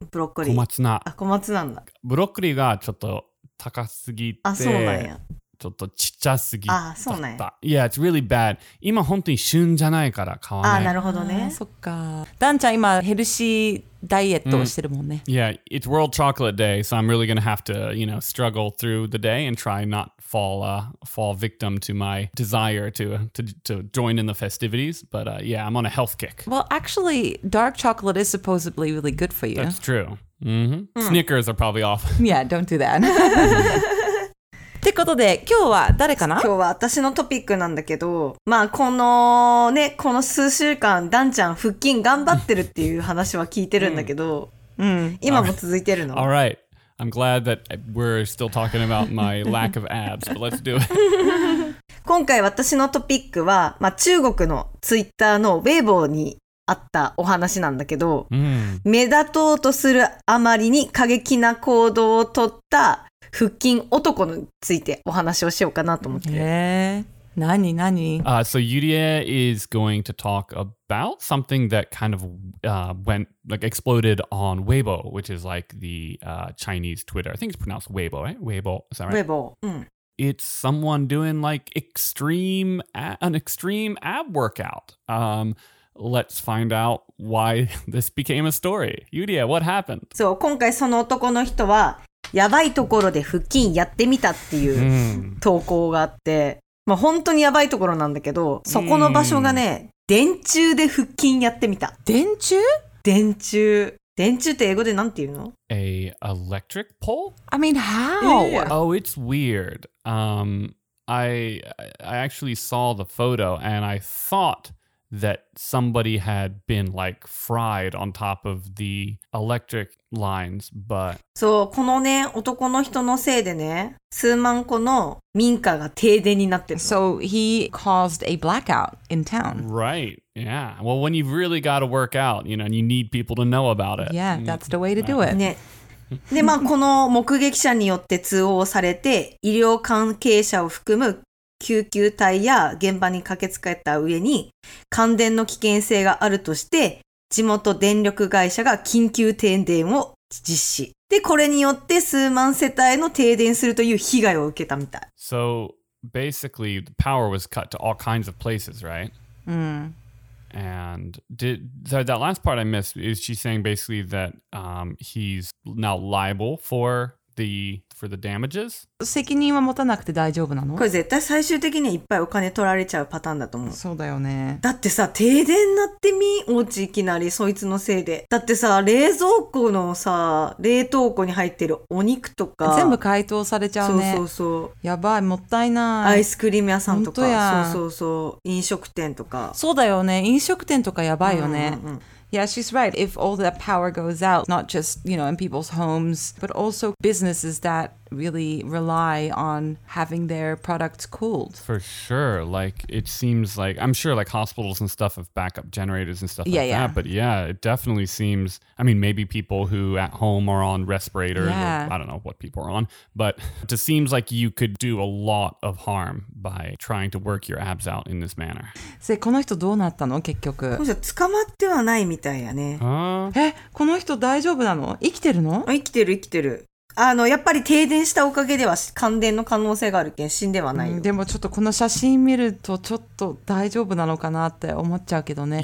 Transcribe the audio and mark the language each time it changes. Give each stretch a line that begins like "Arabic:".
Japanese: ブロッコリー。小松菜。あ、小松菜なんだ。ブロッコリーがちょっと高すぎて。あ、そうなんや。ちょっとちっちゃすぎだった。ああ、ね、
English: Yeah, it's really bad.
Japanese: 今本当に旬じゃないから買わない。ああ、なるほどね。そっか。ダンちゃん今ヘルシーダイエットをしてるもんね。
English: Yeah, it's World Chocolate Day, so I'm really gonna have to, you know, struggle through the day and try not fall, fall victim to my desire to join in the festivities. But yeah, I'm on a health kick. Well, actually, dark chocolate is supposedly really good for you. That's true. Snickers are probably off. Yeah, don't do that.
Japanese: ってことで今日は誰かな？今日は私のトピックなんだけど、まあこのね、この数週間ダンちゃん腹筋頑張ってるっていう話は聞いてるんだけど、今も続いてるの
English: All right. I'm glad that we're still talking about my lack of abs, but let's do it.
Japanese: 今回私のトピックは、まあ、中国のツイッターのウェイボーにあったお話なんだけど、 mm. 目立とうとするあまりに過激な行動をとった腹筋男についてお話をしようかなと思って。何何
English: So Yurie is going to talk about something that kind of went, like exploded on Weibo, which is like the Chinese Twitter. I think it's pronounced Weibo, right? Weibo, is that right? Weibo, It's someone doing like an extreme ab workout. Let's find out why this became a story. Yurie, what happened? So,
Japanese: 今回その男の人はやばいところで腹筋やってみたっていう投稿があって、まあ、本当にやばいところなんだけど、そこの場所がね、電柱で腹筋やってみた。電柱？電柱。電柱って英語でなんて言うの？
English: A electric pole? I mean, how? Oh, it's weird. I actually saw the photo and I thought that somebody had been like fried on top of the electric lines, but...
Japanese: そう、このね、男の人のせいでね、数万個の民家が停電になってる。
English: So he caused a blackout in town. Right, yeah. Well, when you've really got to work out, you know, and you need people to know about it. Yeah, that's the way to do it.
Japanese: ね。で、まあ、この目撃者によって通報されて、医療関係者を含む救急隊や現場に駆けつけた上に、感電の危険性があるとして、地元電力会社が緊急停電を実施。で、これによって数万世帯の停電するという被害を受けたみたい。
English: So, basically, the power was cut to all kinds of places, right? And that last part I missed, is she saying basically that he's now liable for... For the damages?
Japanese: 責任は持たなくて大丈夫なの？これ絶対最終的にいっぱいお金取られちゃうパターンだと思う。そうだよね。だってさ、停電なってみ？お家いきなりそいつのせいで。だってさ、冷蔵庫のさ、冷凍庫に入ってるお肉とか。全部解凍されちゃうね。そうそうそう。やばい、もったいない。アイスクリーム屋さんとか。本当や。そうそうそう。飲食店とか。そうだよね。飲食店とかやばいよね。うんうん。
English: Yeah, she's right. If all that power goes out, not just, you know, in people's homes, but also businesses that really rely on having their products cooled. For sure. Like, it seems like, I'm sure like hospitals and stuff have backup generators and stuff like yeah. that. But yeah, it definitely seems, I mean, maybe people who at home are on respirators, yeah. or, I don't know what people are on, but it just seems like you could do a lot of harm by trying to work your abs out in this manner. So,
Japanese: この人どうなったの結局捕まってはないみたいやね。え、この人大丈夫なの生きてるの生きてる生きてる。やっぱり停電したおかげでは感電の可能性があるけん死んではないよ。でもちょっとこの写真見るとちょっと大丈夫なのかなって思っちゃうけどね。